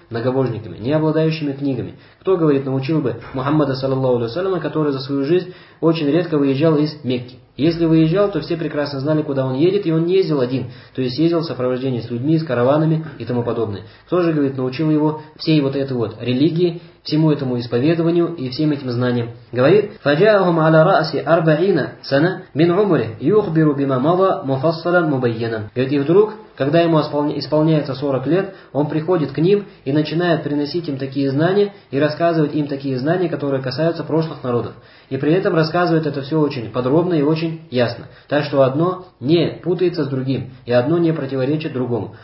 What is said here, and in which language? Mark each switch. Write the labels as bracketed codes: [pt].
[ru] Многобожниками, не обладающими книгами. Кто, говорит, научил бы Мухаммада, саллаллаху алейхи ва саллям, который за свою жизнь очень редко выезжал из Мекки? Если выезжал, то все прекрасно знали, куда он едет, и он не ездил один. То есть, ездил в сопровождении с людьми, с караванами и тому подобное. Кто же, говорит, научил его всей вот этой вот религии, всему этому исповедованию и всем этим знаниям? Говорит, [ar] فَجَاءَهُمْ عَلَى رَأْسِ أَرْبَعِينَ سَنَةً مِنْ عُمُرِهِ يُخْبِرُ بِمَا مَضَى مُفَصَّلًا مُبَيِّنًا. [ru] Говорит, и вдруг, когда ему исполняется 40 лет, он приходит к ним и начинает приносить им такие знания и рассказывать им такие знания, которые касаются прошлых народов. И при этом рассказывает это все очень подробно и очень ясно. Так что одно не путается с другим, и одно не противоречит другому.